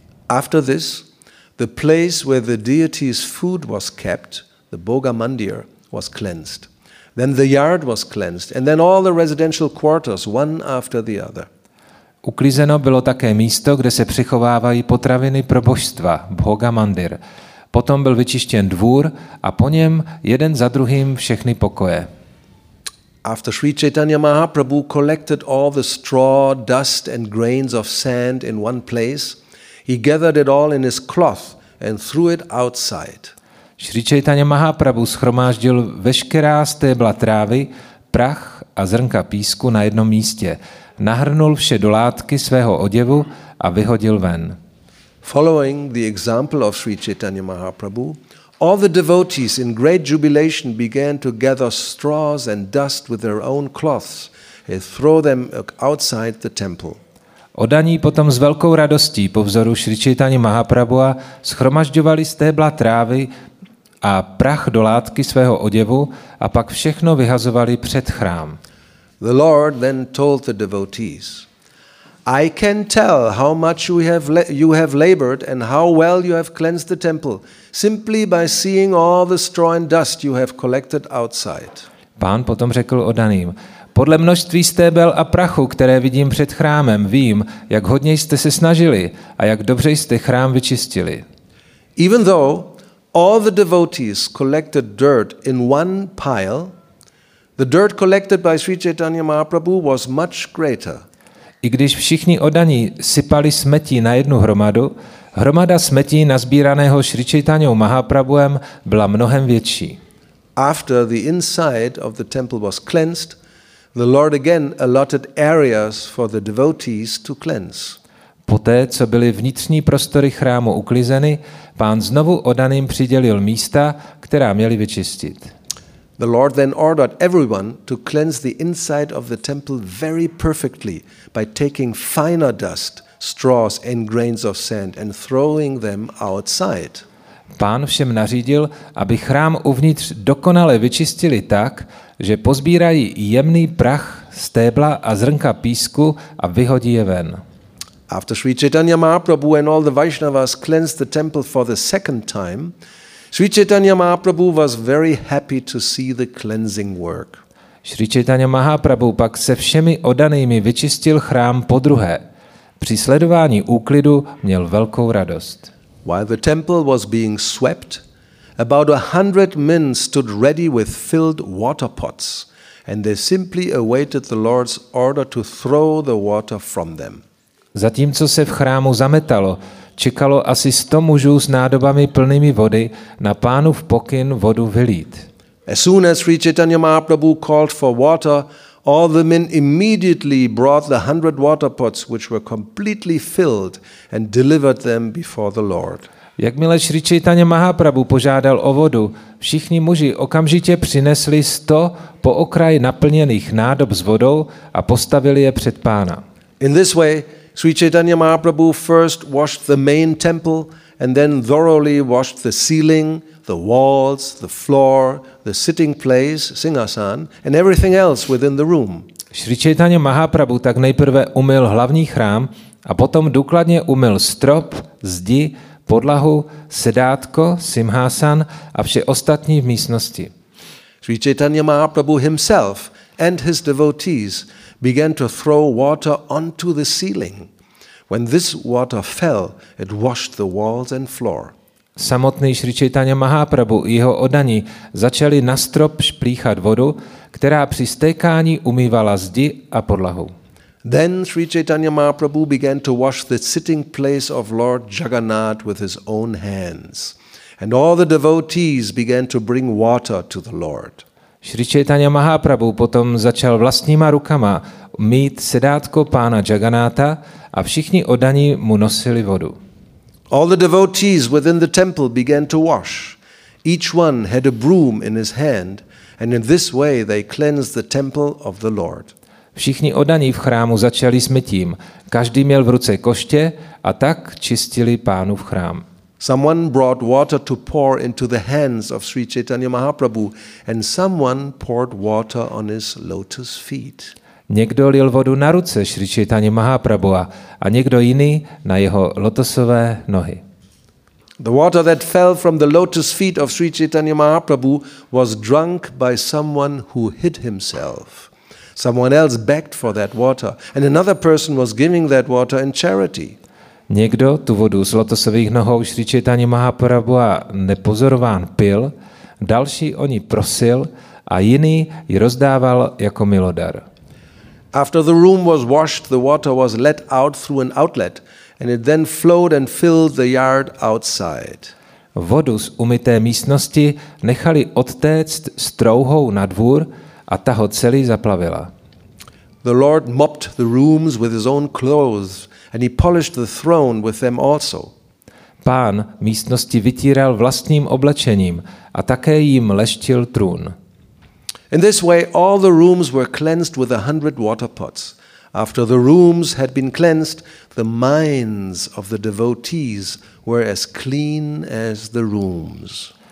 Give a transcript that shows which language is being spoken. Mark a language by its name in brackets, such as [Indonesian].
[English] After this, the place where the deity's food was kept, the Boga Mandir, was cleansed. Then the yard was cleansed, and then all the residential quarters, one after the other. [Czech] Uklizeno bylo také místo, kde se přichovávají potraviny pro božstva, Boga Mandir. Potom byl vyčištěn dvůr a po něm jeden za druhým všechny pokoje. [English] After Sri Chaitanya Mahaprabhu collected all the straw, dust and grains of sand in one place, he gathered it all in his cloth and threw it outside. [Czech] Sri Chaitanya Mahaprabhu shromáždil veškerá stébla trávy, prach a zrnka písku na jednom místě, nahrnul vše do látky svého oděvu a vyhodil ven. [English] Following the example of Sri Chaitanya Mahaprabhu, all the devotees in great jubilation began to gather straws and dust with their own cloths and throw them outside the temple. [Czech] Oddaní potom s velkou radostí po vzoru Sri Chaitanya Mahaprabhua shromažďovali stébla trávy a prach do látky svého oděvu a pak všechno vyhazovali před chrám. [English] The Lord then told the devotees, I can tell how much you have labored and how well you have cleansed the temple simply by seeing all the straw and dust you have collected outside. [Czech] Pán potom řekl oddaným, Podle množství stébel a prachu, které vidím před chrámem, vím, jak hodně jste se snažili a jak dobře jste chrám vyčistili. [English] Even though all the devotees collected dirt in one pile, the dirt collected by Sri Chaitanya Mahaprabhu was much greater. [Czech] I když všichni oddaní sypali smetí na jednu hromadu, hromada smetí nazbíraného Sri Chaitanyou Mahaprabhuem byla mnohem větší. [English] After the inside of the temple was cleansed, the Lord again allotted areas for the devotees to cleanse. [Czech] Poté, co byly vnitřní prostory chrámu uklizeny, pán znovu oddaným přidělil místa, která měli vyčistit. [English] The Lord then ordered everyone to cleanse the inside of the temple very perfectly by taking finer dust, straws and grains of sand and throwing them outside. [Czech] Pán všem nařídil, aby chrám uvnitř dokonale vyčistili tak, že pozbírají jemný prach, stébla a zrnka písku a vyhodí je ven. [English] After Sri Chaitanya Mahaprabhu and all the Vaishnavas cleansed the temple for the second time, Sri Chaitanya Mahaprabhu was very happy to see the cleansing work. [Czech] Sri Chaitanya Mahaprabhu pak se všemi oddanými vyčistil chrám podruhé. Při sledování úklidu měl velkou radost. [English] While the temple was being swept, about 100 men stood ready with filled water pots, and they simply awaited the Lord's order to throw the water from them. [Czech] Zatímco se v chrámu zametalo, čekalo asi 100 mužů s nádobami plnými vody na pánův pokyn vodu vylít. [English] As soon as Sri Chaitanya Mahaprabhu called for water, all the men immediately brought the 100 water pots, which were completely filled, and delivered them before the Lord. [Czech] Jakmile Sri Chaitanya Mahaprabhu požádal o vodu, všichni muži okamžitě přinesli 100 po okraji naplněných nádob s vodou a postavili je před pána. [English] In this way, Sri Chaitanya Mahaprabhu first washed the main temple and then thoroughly washed the ceiling, the walls, the floor, the sitting place, singhasan, and everything else within the room. [Czech] Sri Chaitanya Mahaprabhu tak nejprve umyl hlavní chrám a potom důkladně umyl strop, zdi, podlahu, sedátko, simhasan a vše ostatní v místnosti. [English] Sri Chaitanya Mahaprabhu himself and his devotees began to throw water onto the ceiling. When this water fell, it washed the walls and floor. [Czech] Samotný Sri Chaitanya Mahaprabhu i jeho oddaní začali na strop šplíchat vodu, která při stékání umývala zdi a podlahu. [English] Then Sri Chaitanya Mahaprabhu began to wash the sitting place of Lord Jagannath with his own hands. And all the devotees began to bring water to the Lord. [Czech] Sri Chaitanya Mahaprabhu potom začal vlastníma rukama mýt sedátko pána Jagannátha a všichni oddaní mu nosili vodu. [English] All the devotees within the temple began to wash. Each one had a broom in his hand and in this way they cleansed the temple of the Lord. [Czech] Všichni oddaní v chrámu začali s mytím. Každý měl v ruce koště a tak čistili pánův chrám. [English] Someone brought water to pour into the hands of Sri Chaitanya Mahaprabhu and someone poured water on his lotus feet. [Czech] Někdo lil vodu na ruce Sri Chaitanya Mahaprabhu a někdo jiný na jeho lotosové nohy. [English] The water that fell from the lotus feet of Sri Chaitanya Mahaprabhu was drunk by someone who hid himself. Someone else begged for that water and another person was giving that water in charity. [Czech] Někdo tu vodu z lotosových nohou Sri Chaitanya Mahaprabhu a nepozorován pil, další o ní prosil a jiný ji rozdával jako milodar. [English] After the room was washed, the water was let out through an outlet and it then flowed and filled the yard outside. [Czech] Vodu z umyté místnosti nechali odtéct strouhou na dvůr a ta ho celý zaplavila. [English] The Lord mopped the rooms with his own clothes and he polished the throne with them also. [Czech] Pán místnosti vytíral vlastním oblečením a také jim leštil trůn. [English] In this way all the rooms were cleansed with 100 water pots. After the rooms had been cleansed, the minds of the devotees were as clean as the rooms.